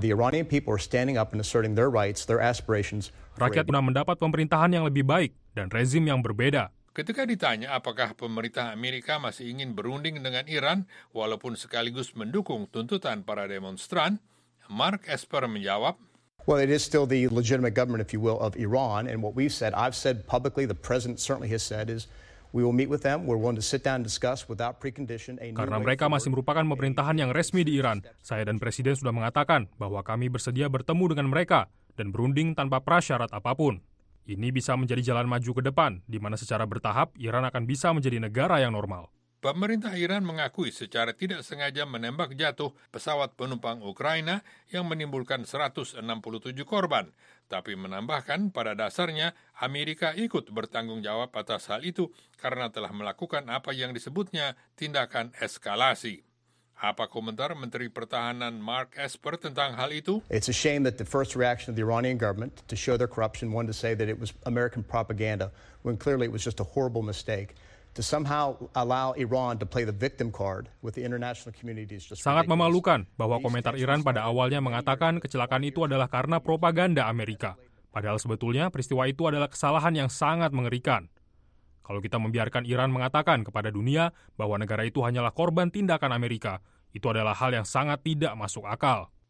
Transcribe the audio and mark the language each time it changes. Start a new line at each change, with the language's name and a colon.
English: The Iranian people are standing up and asserting their rights, their aspirations.
Indonesian: Rakyat guna mendapat pemerintahan yang lebih baik dan rezim yang berbeda. Ketika ditanya apakah pemerintah Amerika masih ingin berunding dengan Iran, walaupun sekaligus mendukung tuntutan para demonstran, Mark Esper menjawab,
English: "Well, it is still the legitimate government, if you will, of Iran, and what we've said, I've said publicly, the president certainly has said, is we will meet with them, we're willing to sit down and discuss without precondition a new..."
Indonesian: Karena mereka masih merupakan pemerintahan yang resmi di Iran, saya dan Presiden sudah mengatakan bahwa kami bersedia bertemu dengan mereka dan berunding tanpa prasyarat apapun. Ini bisa menjadi jalan maju ke depan, di mana secara bertahap Iran akan bisa menjadi negara yang normal. Pemerintah Iran mengakui secara tidak sengaja menembak jatuh pesawat penumpang Ukraina yang menimbulkan 167 korban, tapi menambahkan pada dasarnya Amerika ikut bertanggung jawab atas hal itu karena telah melakukan apa yang disebutnya tindakan eskalasi. Apa komentar Menteri Pertahanan Mark Esper tentang hal itu?
English: It's a shame that the first reaction of the Iranian government to show their corruption was to say that it was American propaganda when clearly it was just a horrible mistake. To somehow allow Iran to play the victim card with the international community is just...
Indonesian: Sangat memalukan bahwa komentar Iran pada awalnya mengatakan kecelakaan itu adalah karena propaganda Amerika. Padahal sebetulnya peristiwa itu adalah kesalahan yang sangat mengerikan. Kalau kita membiarkan Iran mengatakan kepada dunia bahwa negara itu hanyalah korban tindakan Amerika, itu adalah hal yang sangat tidak masuk akal.